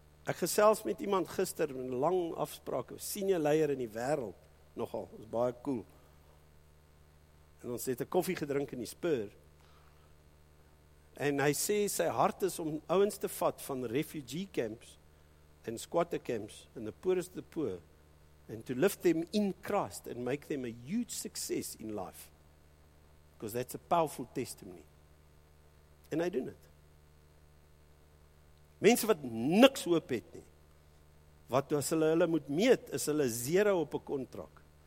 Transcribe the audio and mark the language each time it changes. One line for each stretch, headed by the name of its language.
Afrikaans: Ek gesels met iemand gister, met 'n lang afspraak, senior leier in die wêreld, nogal, is baie cool. En ons het 'n koffie gedrink in die Spur. En hy sê sy hart is om ouens te vat van refugee camps en
English: squatter camps en the poorest of the poor and to lift them in Christ and make them a huge success in life. Because that's a powerful testimony.
Afrikaans: En hy doen dit. Mense wat niks hoop het nie, wat as hulle hulle moet meet, is hulle zero op 'n kontrak.